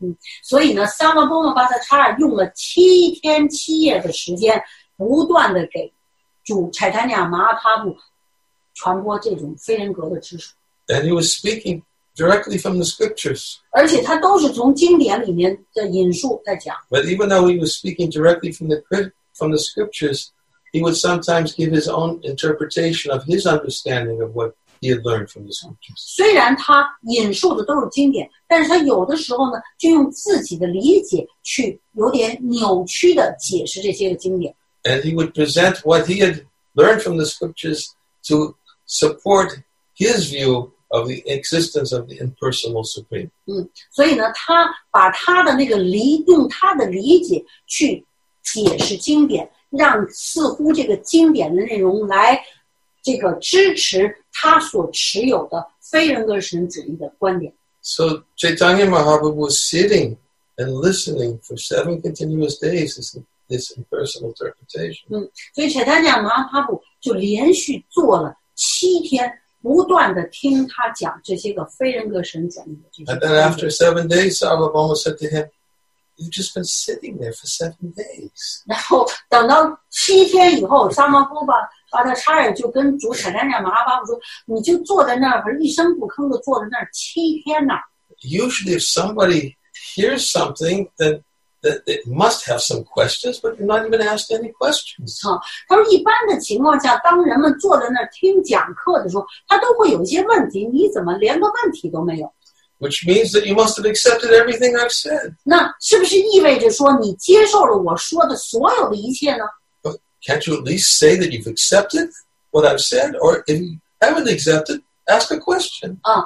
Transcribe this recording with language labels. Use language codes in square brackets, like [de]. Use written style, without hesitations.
[zh] 嗯，所以呢 ，Sarvabhauma Bhattacharya 用了七天七夜的时间，不断的给主 Chaitanya Mahaprabhu 传播这种非人格的知识。 [en] And he was speaking. Directly from the scriptures. [zh] 而且他都是从经典里面的引述在讲。 [en] But even though he was speaking directly from the scriptures, he would sometimes give his own interpretation of his understanding of what he had learned from the scriptures. [zh] 虽然他引述的都是经典，但是他有的时候呢，就用自己的理解去有点扭曲的解释这些个经典。 [en] And he would present what he had learned from the scriptures to support his view. Of the existence of the impersonal supreme. [zh] 所以呢，他把他的那个理用他的理解去解释经典，让似乎这个经典的内容来这个支持他所持有的非人格神主义的观点。 [en] So Chaitanya Mahaprabhu was sitting and listening for seven continuous days. This impersonal interpretation. [zh] 所以 Chaitanya Mahaprabhu 就连续做了七天。不断地听他讲这些个非人格神讲义的这些。 [en] And then after 7 days, Sarvabhauma said to him, You've just been sitting there for 7 days. [zh] 然后等到七天以后，萨摩夫把他差人就跟主产量的阿巴姆说：“你就坐在那儿，一声不吭的坐在那儿七天呐。” [en] Usually, if somebody hears something, then it must have some questions, but they're not even asked any questions. [zh] 他说，一般的情况下，当人们坐在那儿听讲课的时候，他都会有一些问题：你怎么连个问题都没有？ [en] Which means that you must have accepted everything I've said. [zh] 那是不是意味着说你接受了我说的所有的一切呢？ [en] But can't you at least say that you've accepted what I've said? Or if you haven't accepted, ask a question.